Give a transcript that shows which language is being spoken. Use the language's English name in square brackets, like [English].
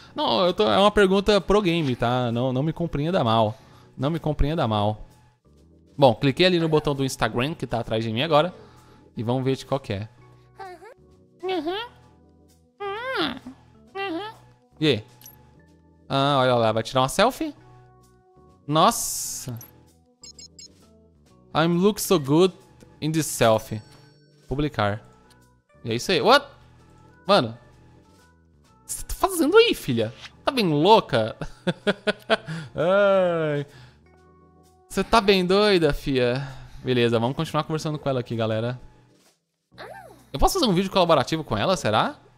[Portuguese] Não, eu tô, é uma pergunta pro game, tá? Não, não me compreenda mal. Não me compreenda mal. Bom, cliquei ali no botão do Instagram, que tá atrás de mim agora. E vamos ver de qual que é. E aí? Ah, olha lá, vai tirar uma selfie? Nossa! [English] I'm look so good in this selfie. [Portuguese] Publicar. E é isso aí. [English] What? [Portuguese] Mano, o que você tá fazendo aí, filha? Tá bem louca? Ai. Você tá bem doida, fia? Beleza, vamos continuar conversando com ela aqui, galera. Eu posso fazer um vídeo colaborativo com ela, será?